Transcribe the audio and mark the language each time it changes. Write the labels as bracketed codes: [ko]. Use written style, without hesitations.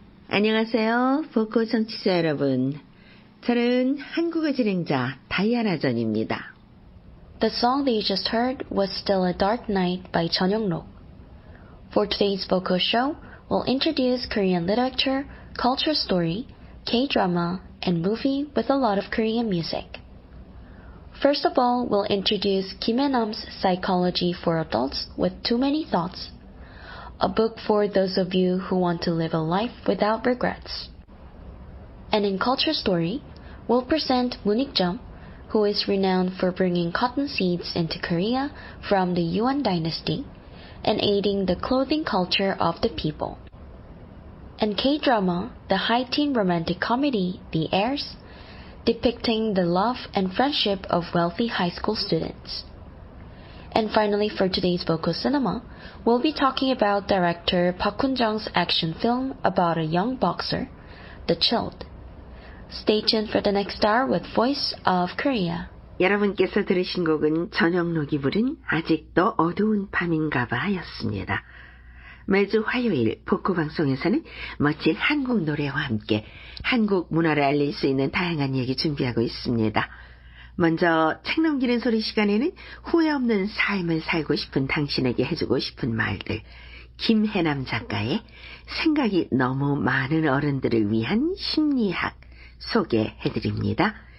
[ko] 안녕하세요, 보코 청취자 여러분. 저는 한국어 진행자 다이아나 전입니다. [en] The song that you just heard was Still a Dark Night by Chun Young-rok. For today's Voco show, we'll introduce Korean literature, culture story, K-drama, and movie with a lot of Korean music. First of all, we'll introduce Kim Hae-nam's Psychology for Adults with Too Many Thoughts. a book for those of you who want to live a life without regrets. And in Culture Story, we'll present Munik Jeom, who is renowned for bringing cotton seeds into Korea from the Yuan Dynasty and aiding the clothing culture of the people. And K-drama, the high teen romantic comedy The Heirs, depicting the love and friendship of wealthy high school students. And finally, for today's Boku Cinema, we'll be talking about director Park Hoon-jung's action film about a young boxer, The Child. Stay tuned for the next hour with Voice of Korea. [ko] 여러분께서 들으신 곡은 전영록이 부른 아직도 어두운 밤인가 봐였습니다. 매주 화요일 복구 방송에서는 멋진 한국 노래와 함께 한국 문화를 알릴 수 있는 다양한 얘기 준비하고 있습니다. 먼저 책 넘기는 소리 시간에는 후회 없는 삶을 살고 싶은 당신에게 해주고 싶은 말들, 김해남 작가의 생각이 너무 많은 어른들을 위한 심리학 소개해드립니다.